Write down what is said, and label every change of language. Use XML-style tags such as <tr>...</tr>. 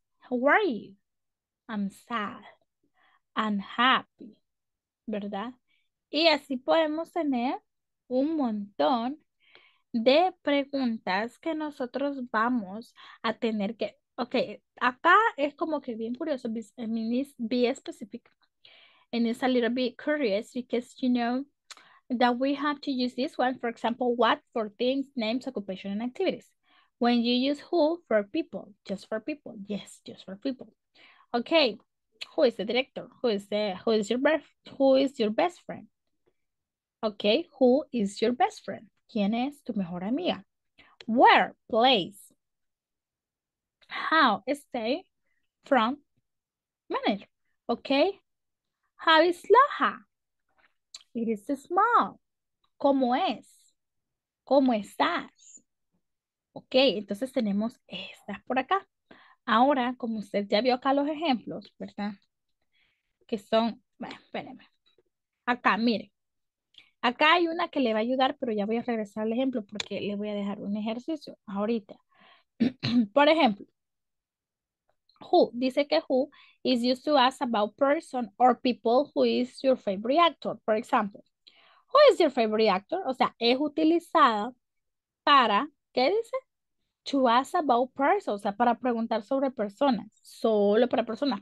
<en>How are you? I'm sad. I'm happy.</en> <es>¿Verdad? Y así podemos tener un montón de preguntas que nosotros vamos a tener que. Ok, acá es como que bien curioso, be específico.</es> <en>And it's a little bit curious because you know that we have to use this one, for example, what for things, names, occupation, and activities. When you use who for people, just for people. Yes, just for people. Okay, who is the director? Who is your best friend? Okay, who is your best friend?</en> <es>¿Quién es tu mejor amiga?</es> <en>Where, place. How, stay, from, manage. Okay. How is Loja? It is small.</en> <es>¿Cómo es? ¿Cómo estás? Ok, entonces tenemos estas por acá. Ahora, como usted ya vio acá los ejemplos, ¿verdad? Que son, bueno, espérenme. Acá, mire. Acá hay una que le va a ayudar, pero ya voy a regresar al ejemplo porque le voy a dejar un ejercicio ahorita. Por ejemplo,</es> <en>who,</en> <es>dice que</es> <en>who is used to ask about person or people who is your favorite actor. For example, who is your favorite actor?</en> <es>O sea, es utilizada para, ¿qué dice?</es> <en>To ask about person,</en> <es>o sea, para preguntar sobre personas, solo para personas.</es>